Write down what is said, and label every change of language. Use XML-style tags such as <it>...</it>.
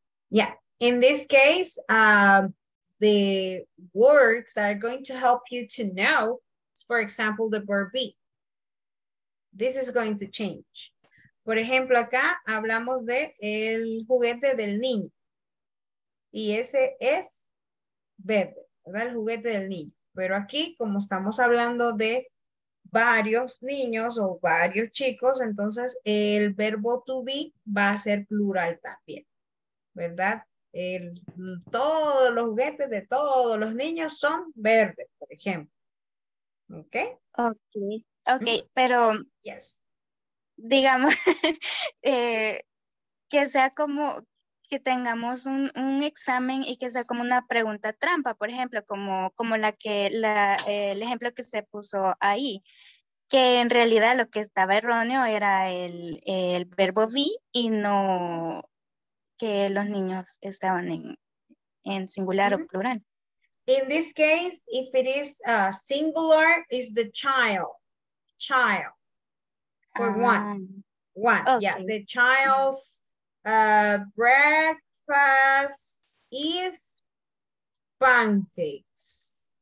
<en>Yeah, in this case, the words that are going to help you to know, for example, the verb be. This is going to change.</en> <es>Por ejemplo, acá hablamos de el juguete del niño. Y ese es verde, ¿verdad? El juguete del niño. Pero aquí, como estamos hablando de varios niños o varios chicos, entonces el verbo to be va a ser plural también, ¿verdad? Todos los juguetes de todos los niños son verdes, por ejemplo. ¿Ok? Ok. Ok, pero</es> <en>yes.</en> <es>Digamos que sea como que tengamos un examen y que sea como una pregunta trampa, por ejemplo, como la que el ejemplo que se puso ahí, que en realidad lo que estaba erróneo era el verbo be y no que los niños estaban en singular mm-hmm. o plural.</es> <en>In this case, if it is singular, is the child. Child for one. Okay. Yeah, the child's breakfast is pancakes.</en>